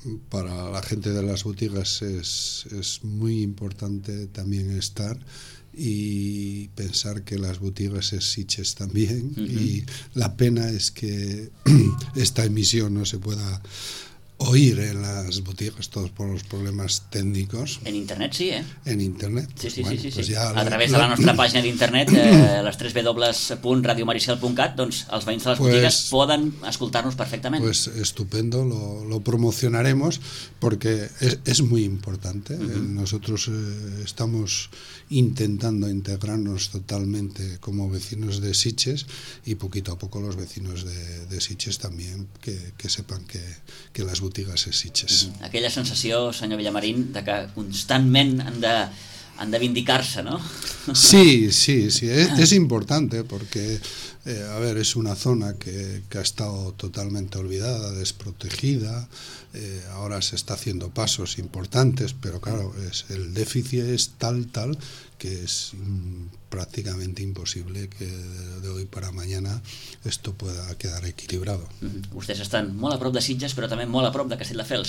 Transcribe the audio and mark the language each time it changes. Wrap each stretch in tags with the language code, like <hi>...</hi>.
<es>Para la gente de las boutiques es muy importante también estar y pensar que las boutiques es Sitges también. Uh-huh. Y la pena es que esta emisión no se pueda oír en las boutiques, todos por los problemas técnicos. En internet sí, ¿eh? En internet. Sí, sí, bueno, sí. Pues sí.</es> <ca>Ja, a través de la nostra pàgina d'internet, les 3w.radiomaricel.cat, doncs els veïns de les botigues poden escoltar-nos perfectament.</ca> <es>Pues estupendo, lo promocionaremos, porque es muy importante. Uh-huh. Nosotros estamos intentando integrarnos totalmente como vecinos de Sitges, y poquito a poco los vecinos de Sitges también que sepan que</es> <ca>les botigues és Sitges. Aquella sensació, senyor Villamarín, de que constantment han de vindicar-se, no? Sí, sí, sí. És important, perquè, a veure, és una zona que ha estat totalment oblidada, desprotegida.</ca> <es>Ahora se está haciendo pasos importantes, pero claro, es el déficit es tal que es prácticamente imposible que de hoy para mañana esto pueda quedar equilibrado. Mm-hmm. Ustedes están muy a prop de Sitges, pero también muy a prop de Castelldefels.</es>